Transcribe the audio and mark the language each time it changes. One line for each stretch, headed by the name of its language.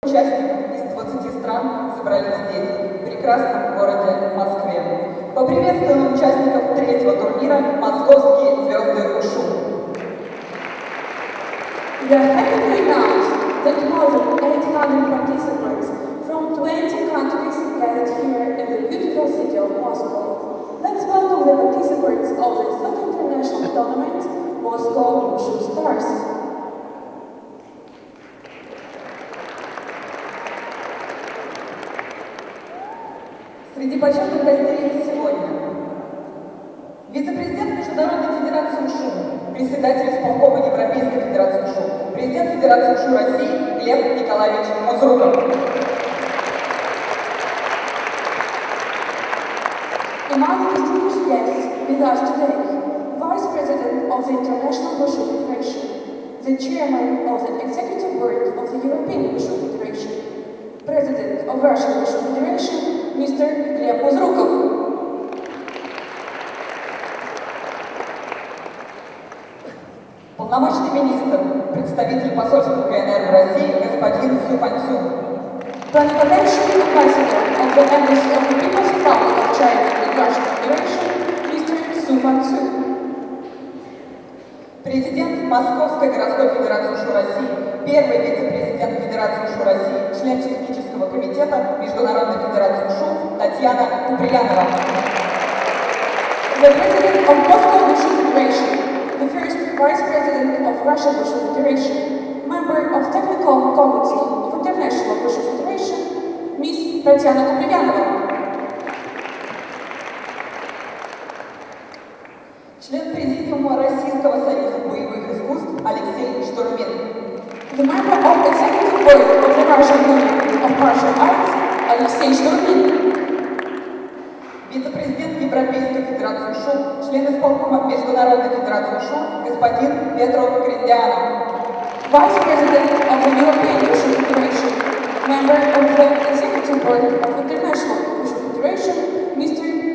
Russian: участников из 20 стран собрались здесь, в прекрасном городе Москве. Поприветствуем участников третьего турнира «Московские звезды ушу».
English: We are happy to announce that more than 800 participants from 20 countries gathered here in the beautiful city of Moscow. Let's welcome the participants of the third international tournament, Moscow Ushu Stars.
Russian: Среди почетных гостей сегодня вице-президент Международной Федерации Ушу, председатель исполкома Европейской Федерации Ушу, президент Федерации Ушу России Лев Николаевич Мазуров.
English: Among the distinguished guests with us today, Vice President of the International Ushu Federation, the Chairman of the Executive Board of the European Ushu Federation, President of Russian Ushu Federation, Mr. Лев Мазуров.
Russian: Полномочный министр, представитель посольства КНР в России, господин Су Паньсу.
English: Transparency Ambassador of the Embassy of the People's Republic of China in the Russian Federation, Mr. Su Paньсу.
Russian: Президент Московской городской федерации Ушу России, первый вице-президент Федерации Ушу России, член технического комитета Международной Федерации Ушу Татьяна Куприянова.
English: The President of Moscow Ushu Federation, the first Vice President of Russian Ushu Federation, member of Technical Committee of International Ushu Federation, Miss Татьяна Куприянова.
Russian: Член Президиума Российского Союза Боевых Искусств Алексей Штурмин.
English: The member of the Executive Board of the Russian Union of Martial Arts, Алексей Штурмин.
Russian: Вице-президент Европейской Федерации Ушу, член исполкома Международной Федерации Ушу, господин Петро Гриндиано.
English: Vice President of the European Ushu Federation, member of the Executive Board of the International Ushu Federation, Mr.